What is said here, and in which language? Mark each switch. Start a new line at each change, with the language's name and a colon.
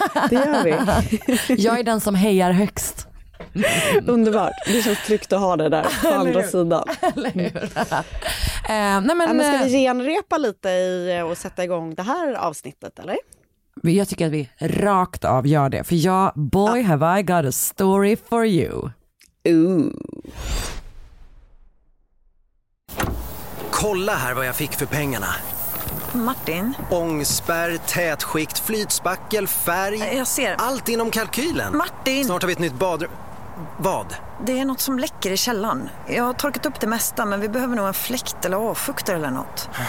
Swedish: Det gör vi. Jag är den som hejar högst. Underbart. Det känns tryggt att ha det där på andra sidan. Nej, men ska vi genrepa lite och sätta igång det här avsnittet, eller? Jag tycker att vi rakt av gör det. För jag,
English: boy, have I got a story for you. Ooh.
Swedish: Kolla här vad jag fick för pengarna. Martin. Ångspärr, tätskikt, flytspackel, färg. Jag ser. Allt inom kalkylen. Martin. Snart har vi ett nytt badrum. Vad? Det är något som läcker i källaren. Jag har torkat upp det mesta, men vi behöver nog en fläkt eller avfuktare eller något.